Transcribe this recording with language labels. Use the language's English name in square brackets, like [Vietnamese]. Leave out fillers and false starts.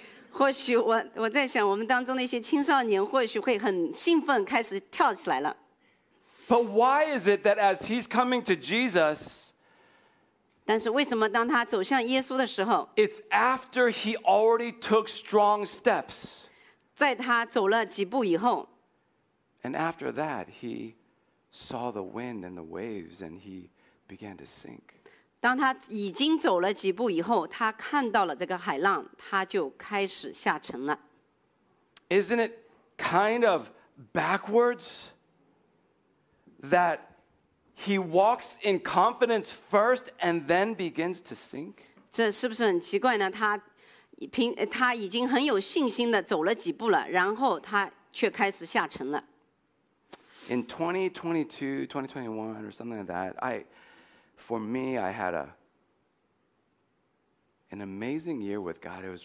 [Chinese] 或许 我在想我们当中的一些青少年或许会很兴奋开始跳起来了。 [English] But why is it that as he's coming to Jesus, [Chinese] 但是为什么当他走向耶稣的时候， [English] It's after he already took strong steps. [Chinese] 在他走了几步以后， [English] And after that, he saw the wind and the waves, and he began to sink. [Chinese] 当他已经走了几步以后，他看到了这个海浪，他就开始下沉了。 [English] Isn't it kind of backwards that he walks in confidence first and then begins to sink? [Chinese] 这是不是很奇怪呢？他已经很有信心的走了几步了，然后他却开始下沉了。 [English] In 2022, 2021, or something like that, I had an amazing year with God.